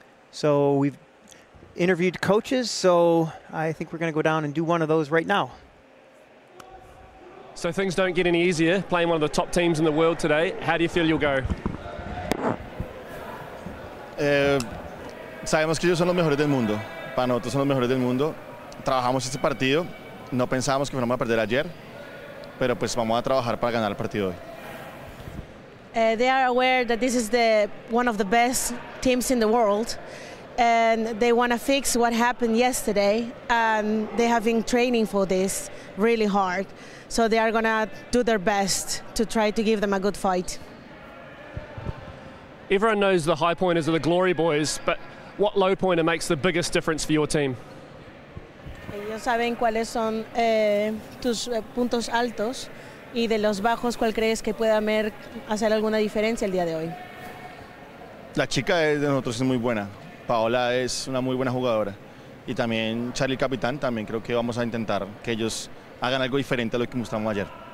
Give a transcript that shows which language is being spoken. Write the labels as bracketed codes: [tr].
[en] So we've interviewed coaches, so I think we're going to go down and do one of those right now. So things don't get any easier playing one of the top teams in the world today. How do you feel you'll go? [es] Sabemos que ellos son los mejores del mundo. Para nosotros son los mejores del mundo. Trabajamos este partido. No pensábamos que fuéramos a perder ayer, pero pues vamos a trabajar para ganar el partido hoy. [en] They are aware that this is the one of the best teams in the world. And they want to fix what happened yesterday. And they have been training for this really hard. So they are going to do their best to try to give them a good fight. Everyone knows the high pointers are the glory boys, but what low pointer makes the biggest difference for your team? [es] Ellos saben cuáles son tus puntos altos y de los bajos, ¿cuál crees que pueda hacer alguna diferencia el día de hoy? La chica de nosotros es muy buena. Paola es una muy buena jugadora y también Charlie Capitán, también creo que vamos a intentar que ellos hagan algo diferente a lo que mostramos ayer.